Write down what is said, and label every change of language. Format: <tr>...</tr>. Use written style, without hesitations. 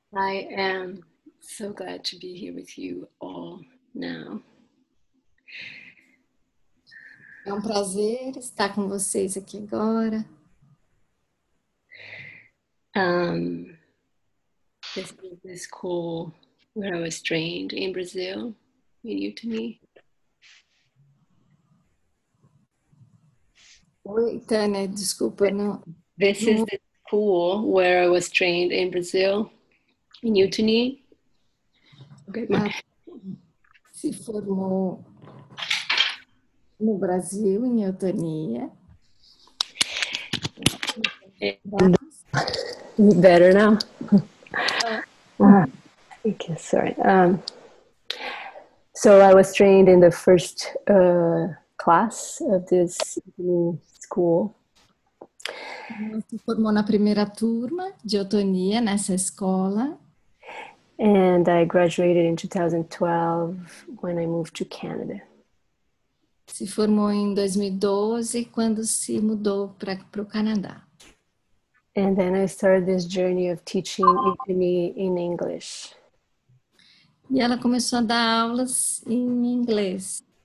<en>I am so glad to be here with you all now.</en> <pt>É um prazer estar com vocês aqui agora.</pt> <en>This school where I was trained in Brazil, new to me.</en> <pt>Oi, Tânia, desculpa, não.</pt> <en>This is the school where I was trained in Brazil, in Utuni.</en> <pt>Ah, se formou no Brasil, em Eutania.</pt> <en>Better now. Okay, sorry. So I was trained in the first class of this new school.</en> <pt>Formou na primeira turma de Eutonia nessa escola.</pt> <en>And I graduated in 2012 when I moved to Canada.</en> <pt>Se formou em 2012, quando se mudou para o Canadá.</pt> <en>And then I started this journey of teaching in English.</en> <pt>E ela começou a dar aulas em inglês.</pt>